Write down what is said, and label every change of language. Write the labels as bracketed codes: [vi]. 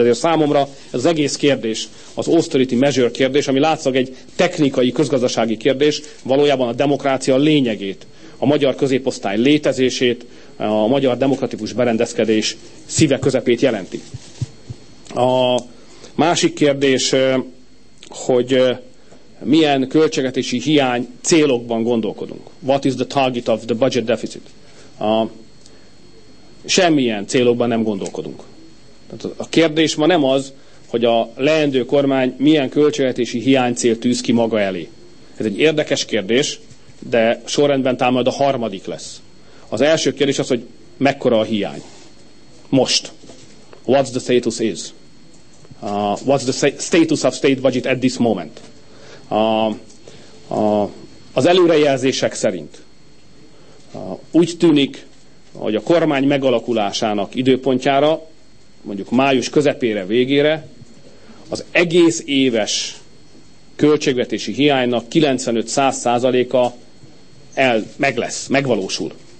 [hu] Ezért számomra ez az egész kérdés, az austerity measure kérdés, ami látszik egy technikai, közgazdasági kérdés, valójában a demokrácia lényegét, a magyar középosztály létezését, a magyar demokratikus berendezkedés szíve közepét jelenti. A másik kérdés, hogy milyen költségvetési hiány célokban gondolkodunk. [en] What is the target of the budget deficit? [hu] Semmilyen célokban nem gondolkodunk. A kérdés ma nem az, hogy a leendő kormány milyen költségvetési hiány cél tűz ki maga elé. Ez egy érdekes kérdés, de sorrendben talán majd a harmadik lesz. Az első kérdés az, hogy mekkora a hiány. Most. [en] What's the status is? What's the status of state budget at this moment? [hu] Az előrejelzések szerint úgy tűnik, hogy a kormány megalakulásának időpontjára, mondjuk május közepére, végére az egész éves költségvetési hiánynak 95-100%-a megvalósul.